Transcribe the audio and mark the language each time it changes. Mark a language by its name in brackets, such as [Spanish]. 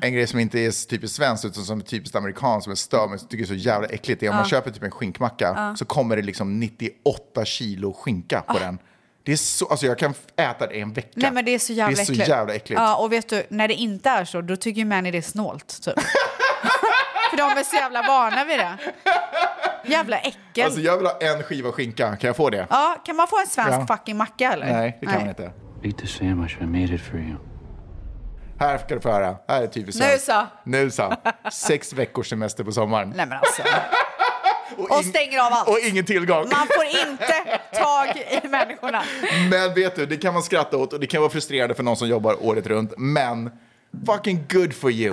[Swedish] En grej som inte är typiskt svensk, utan som är typiskt amerikansk, som är stör mig, tycker jag är så jävla äckligt, är om man köper typ en skinkmacka så kommer det liksom 98 kilo skinka på den. Det är så, alltså jag kan äta det en vecka. Nej, men det är så jävla äckligt. Det är så jävla äckligt. Ja, och vet du, när det inte är så, då tycker ju man det är snålt, typ. För de är så jävla vana vid det. Jävla äckel. Alltså jag vill ha en skiva skinka. Kan jag få det? Ja, kan man få en svensk fucking macka eller? Nej, det kan man inte. [English] Eat the sandwich I made it for you. [Swedish] Här ska du få höra. Här är typiskt svensk. Nusa. Nusa. 6 veckors semester på sommaren. Nej men alltså. Och stänger av allt. Och ingen tillgång. Man får inte tag i människorna. Men vet du, det kan man skratta åt. Och det kan vara frustrerande för någon som jobbar året runt. Men... [English] fucking good for you.